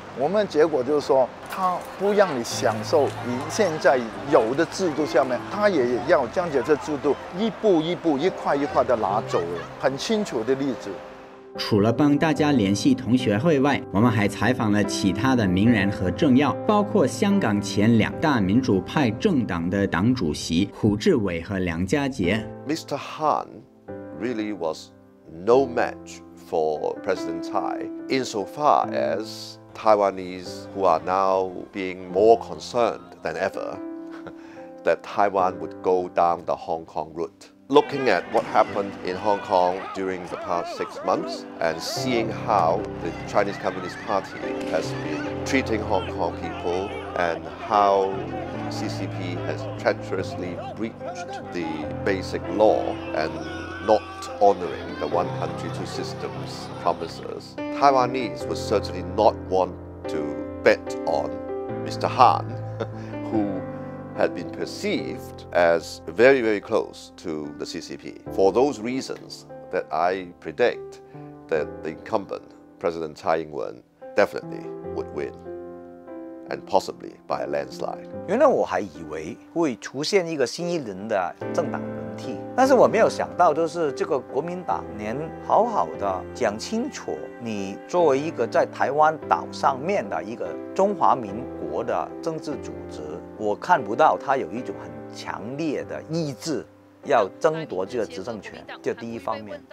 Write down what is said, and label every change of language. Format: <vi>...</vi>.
<zh>我们的结果就是说，他不让你享受你现在有的制度下面，他也要将这些制度一步一步、一块一块的拿走了，很清楚的例子。除了帮大家联系同学会外，我们还采访了其他的名人和政要，包括香港前两大民主派政党的党主席胡志伟和梁家杰。</zh> <en>Mr. Han really was no match for President Tsai insofar as Taiwanese who are now being more concerned than ever that Taiwan would go down the Hong Kong route. Looking at what happened in Hong Kong during the past 6 months and seeing how the Chinese Communist Party has been treating Hong Kong people and how CCP has treacherously breached the basic law and not honoring the one country, two systems promises, Taiwanese would certainly not want to bet on Mr. Han, whohad been perceived as very, very close to the CCP. For those reasons that I predict that the incumbent, President Tsai Ing-wen, definitely would win, and possibly by a landslide.</en> <zh>原来我还以为会出现一个新一轮的政党轮替，但是我没有想到就是这个国民党连好好的讲清楚你作为一个在台湾岛上面的一个中华民国的政治组织，我看不到他有一种很强烈的意志要争夺这个执政权，这第一方面。</zh>